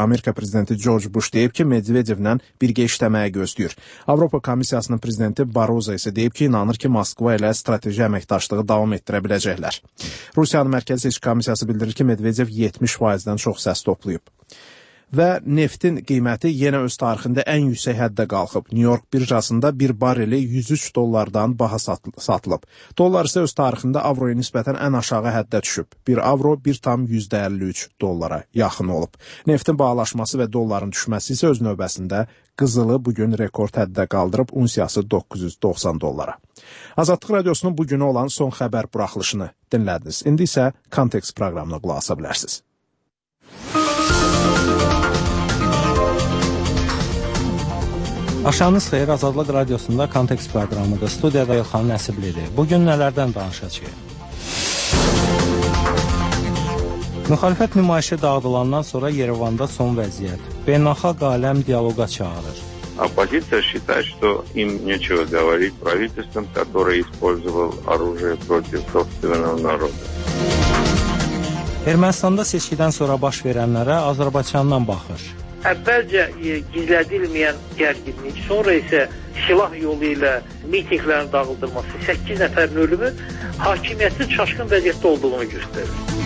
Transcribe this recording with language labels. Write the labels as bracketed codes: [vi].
[az] Amerika prezidenti George Bush deyib ki, Medvedevlə birgə işləməyə gözləyir. Avropa Komissiyasının prezidenti Barroso isə deyib ki, inanır ki, Moskva ilə strateji əməkdaşlığı davam etdirə biləcəklər. Rusiyanın Mərkəzi Seçki Komissiyası bildirir ki, Medvedev 70%-dən çox səs toplayıb. Və neftin qiyməti yenə öz tarixində ən yüksək həddə qalxıb. New York birjasında bir barreli 103 dollardan baha satılıb. Dollar isə öz tarixində avroya nisbətən ən aşağı həddə düşüb. Bir avro 1,53 dollara yaxın olub. Neftin bağlaşması və dolların düşməsi isə öz növbəsində qızılı bugün rekord həddə qaldırıb, unsiyası 990 dollara. Azadlıq Radiosunun bugünü olan son xəbər buraxılışını dinlədiniz. İndi isə Kontekst proqramına qulaq asa bilərsiniz. Müzik Axşamınız xeyir, Azadlıq Radiosunda Kontekst proqramıdır. Studiyada Elxan Nəsiblidir. Bugün nələrdən danışacağıq? Müxalifət nümayişi dağıdılandan sonra Yerevanda son vəziyyət. Beynəlxalq aləm dialoqa çağırır. [ru] Оппозиция считает, что им нечего говорить правительствам, которое использовало оружие против собственного народа. [az] Ermənistanda seçkidən sonra baş verənlərə Azərbaycandan baxır. Əvvəlcə gizlədilməyən gərginlik, sonra isə silah yolu ilə mitinglərin dağıldılması, 8 nəfərin ölümü hakimiyyətin çaşqın vəziyyətdə olduğunu göstərir.